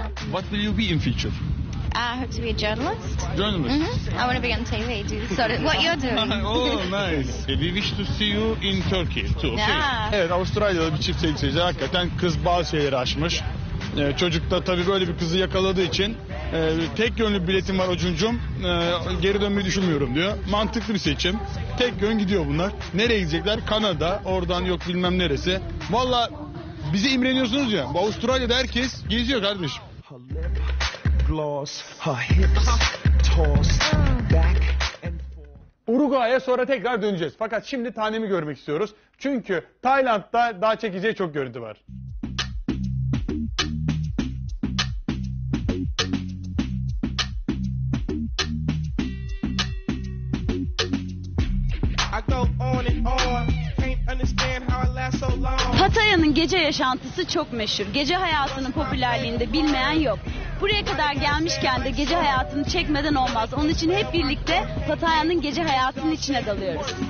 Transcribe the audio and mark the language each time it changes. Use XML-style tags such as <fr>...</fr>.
<en>What will you be in future? I hope to be a journalist. Journalist? Mm-hmm. I want to be on TV, do sort of what you're doing. Oh, nice. We wish to see you in Turkey too, okay? Yeah.</en> <tr>Evet, Avustralya'da bir çift sevgilisi. Hakikaten kız bazı şeyleri aşmış. Çocuk da tabii böyle bir kızı yakaladığı için tek yönlü biletim var Ocuncum, geri dönmeyi düşünmüyorum diyor. Mantıklı bir seçim. Tek yön gidiyor bunlar. Nereye gidecekler? Kanada. Oradan yok bilmem neresi. Valla bizi imreniyorsunuz ya. Bu Avustralya'da herkes geziyor kardeş. Uruguay'a sonra tekrar döneceğiz. Fakat şimdi tanemi görmek istiyoruz. Çünkü Tayland'da daha çekeceği çok görüntü var.</tr> <en>I go on and on. Can't understand how I last</en> <tr>Pattaya'nın gece yaşantısı çok meşhur. Gece hayatının popülerliğini de bilmeyen yok. Buraya kadar gelmişken de gece hayatını çekmeden olmaz. Onun için hep birlikte Pattaya'nın gece hayatının içine dalıyoruz.</tr>